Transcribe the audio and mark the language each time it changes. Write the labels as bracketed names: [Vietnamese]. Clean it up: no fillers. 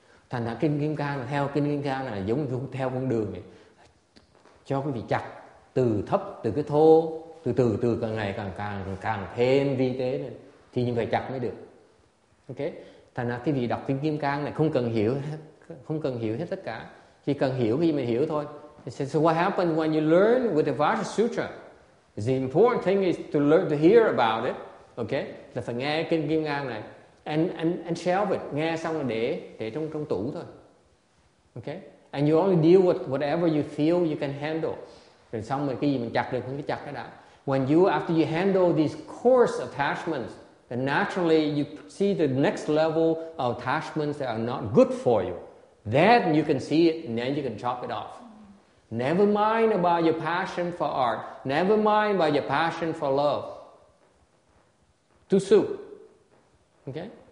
[Vietnamese] Thành ra kinh Kim Cang là giống theo con đường này, cho quý vị chặt từ thấp, từ cái thô, từ càng ngày càng thêm vi tế này, thì như vậy chặt mới được. Ok. Thành ra cái vị đọc kinh Kim Cang này không cần hiểu hết tất cả, chỉ cần hiểu khi mình hiểu thôi. [English] Says, so what happens when you learn with the Vajra Sutra? The important thing is to learn to hear about it. [Vietnamese] Okay, là phải nghe kinh Kim Cang này [English] and shelve it, [Vietnamese] nghe xong rồi để trong tủ thôi. [English] Okay, and you only deal with whatever you feel you can handle. [Vietnamese] Rồi xong rồi cái gì mình chặt được mình cứ chặt cái đã. [English] When you after you handle these coarse attachments, and naturally, you see the next level of attachments that are not good for you. Then you can see it, and then you can chop it off. Never mind about your passion for art. Never mind about your passion for love. Too soon. Okay?